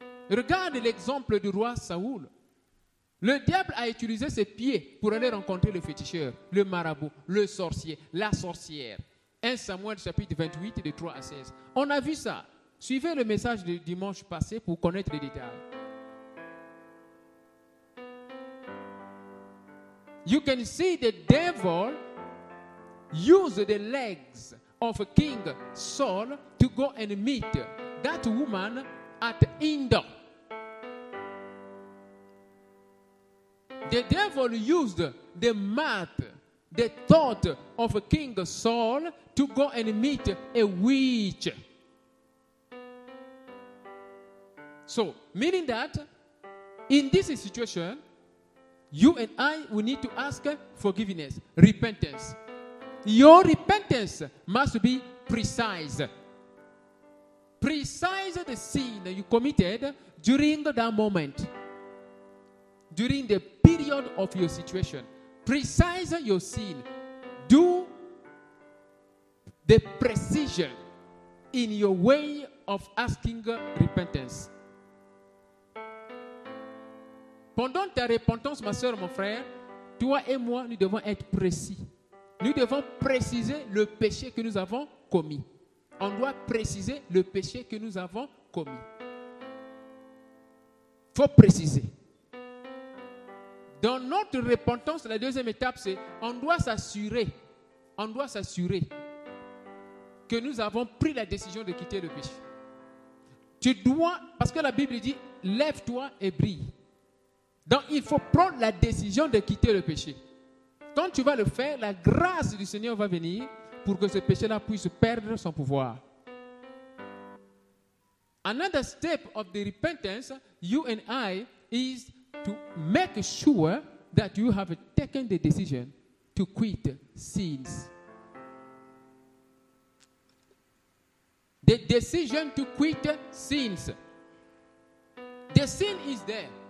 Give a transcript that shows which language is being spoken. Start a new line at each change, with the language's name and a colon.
French: Regarde l'exemple du roi Saoul. Le diable a utilisé ses pieds pour aller rencontrer le féticheur, le marabout, le sorcier, la sorcière. 1 Samuel chapitre 28, de 3 à 16. On a vu ça. Suivez le message du dimanche passé pour connaître les détails.
English: You can see the devil use the legs of King Saul to go and meet that woman at Endor. The devil used the mouth, the thought of King Saul to go and meet a witch. So, meaning that in this situation, you and I, we need to ask forgiveness, repentance. Your repentance must be precise. Precise the sin you committed during that moment, during the period of your situation. Precise your sin. Do the precision in your way of asking repentance.
French: Pendant ta repentance, ma soeur, mon frère, toi et moi, nous devons être précis. Nous devons préciser le péché que nous avons commis. On doit préciser le péché que nous avons commis. Faut préciser. Dans notre repentance, la deuxième étape, c'est on doit s'assurer. On doit s'assurer que nous avons pris la décision de quitter le péché. Tu dois, parce que la Bible dit, lève-toi et brille. Donc, il faut prendre la décision de quitter le péché. Quand tu vas le faire, la grâce du Seigneur va venir pour que ce péché-là puisse perdre son pouvoir.
English: Another step of the repentance, you and I, is to make sure that you have taken the decision to quit sins. The decision to quit sins. The sin is there.